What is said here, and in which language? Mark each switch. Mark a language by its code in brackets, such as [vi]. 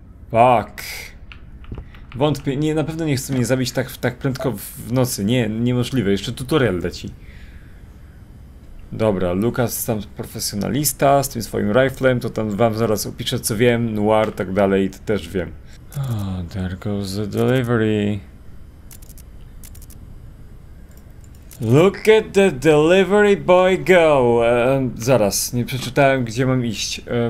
[en] Fuck. [pl] Wątpię, nie, na pewno nie chce mnie zabić tak prędko w nocy. Nie, niemożliwe, jeszcze tutorial leci. Dobra, Lucas tam profesjonalista z tym swoim riflem, to tam wam zaraz opiszę co wiem, noir tak dalej, to też wiem. [en] Oh, there goes the delivery. Look at the delivery boy go! [pl] Zaraz, nie przeczytałem gdzie mam iść.